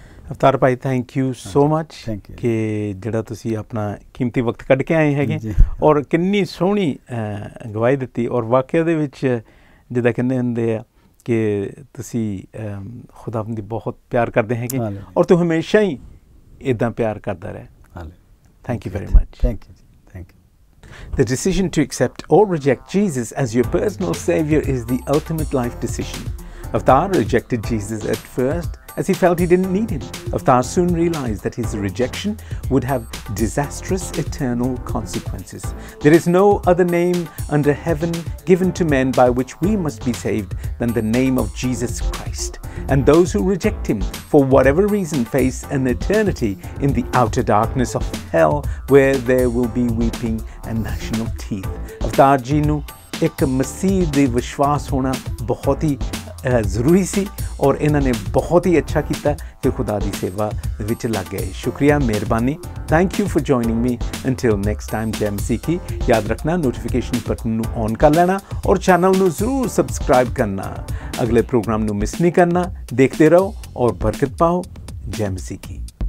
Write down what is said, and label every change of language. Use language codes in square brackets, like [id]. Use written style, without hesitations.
[pa] Avtar Bhai [en] thank you so much [pa] ਕਿ ਜਿਹੜਾ ਤੁਸੀਂ ਆਪਣਾ ਕੀਮਤੀ ਵਕਤ ਕੱਢ ਕੇ ਆਏ ਹੈਗੇ ਔਰ ਕਿੰਨੀ ਸੋਹਣੀ ਗਵਾਹੀ ਦਿੱਤੀ, ਔਰ ਵਾਕਿਆ ਦੇ ਵਿੱਚ ਜਿੱਦਾਂ ਕਹਿੰਦੇ ਹੁੰਦੇ ਆ ਕਿ ਤੁਸੀਂ ਖੁਦਾਵੰਦ ਦੀ ਬਹੁਤ ਪਿਆਰ ਕਰਦੇ ਹੈਗੇ ਔਰ ਤੂੰ ਹਮੇਸ਼ਾ ਹੀ ਇੱਦਾਂ ਪਿਆਰ ਕਰਦਾ ਰਹੇ। [en] Thank you very much. Thank you. The decision to accept or reject Jesus as your personal savior is the ultimate life decision. Avtar rejected Jesus at first as he felt he didn't need him. Avtar soon realized that his rejection would have disastrous eternal consequences. There is no other name under heaven given to men by which we must be saved than the name of Jesus Christ. And those who reject him for whatever reason face an eternity in the outer darkness of hell where there will be weeping and gnashing of teeth. [pa] Avtar ji nu ek masih de vishwas hona bahut hi ਜ਼ਰੂਰੀ ਸੀ ਔਰ ਇਹਨਾਂ ਨੇ ਬਹੁਤ ਹੀ ਅੱਛਾ ਕੀਤਾ ਕਿ ਖੁਦਾ ਦੀ ਸੇਵਾ ਵਿੱਚ ਲੱਗ ਗਏ। ਸ਼ੁਕਰੀਆ, ਮਿਹਰਬਾਨੀ। [en] thank you for joining me until next time [pa] jam ਸਿੱਖੀ। ਯਾਦ ਰੱਖਣਾ ਨੋਟੀਫਿਕੇਸ਼ਨ ਬਟਨ ਨੂੰ ਔਨ ਕਰ ਲੈਣਾ ਔਰ ਚੈਨਲ ਨੂੰ ਜ਼ਰੂਰ ਸਬਸਕ੍ਰਾਈਬ ਕਰਨਾ, ਅਗਲੇ ਪ੍ਰੋਗਰਾਮ ਨੂੰ ਮਿਸ ਨਹੀਂ ਕਰਨਾ। ਦੇਖਦੇ ਰਹੋ ਔਰ ਬਰਕਤ ਪਾਓ। ਜੈਮ ਸਿੱਖੀ।